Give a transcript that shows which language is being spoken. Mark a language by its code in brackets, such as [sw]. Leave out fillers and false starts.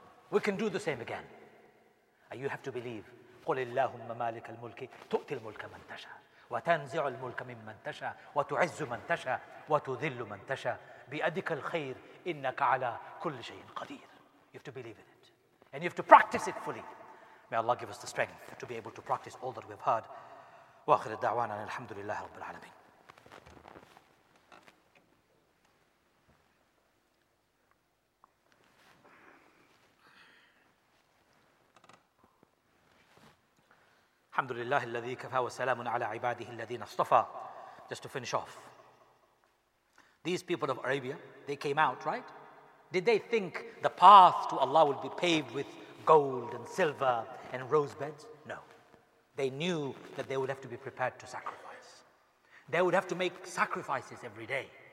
[en] We can do the same again. And you have to believe. [ar] قُلِ اللَّهُمَّ مَالِكَ الْمُلْكِ تُؤْتِي الْمُلْكَ مَنْ تَشَى وَتَنْزِعُ الْمُلْكَ مِنْ مَنْ تَشَى وَتُعِزُّ مَنْ تَشَى وَتُذِلُّ مَنْ تَشَى بِأَدِكَ الْخَيْرِ إِنَّكَ عَلَى كُلِّ شَيْءٍ قَدِيرٍ. [en] You have to believe in it. And you have to practice it fully. May Allah give us the strength to be able to practice all that we've heard. [ar] وآخر الدعوان أن الحمد لله رب العالمين. الحمد لله الذي كفى وسلام على عباده الذين اصطفى. [en] Just to finish off. These people of Arabia, they came out, right? Did they think the path to Allah would be paved with gold and silver and rose beds? No. They knew that they would have to be prepared to sacrifice. They would have to make sacrifices every day.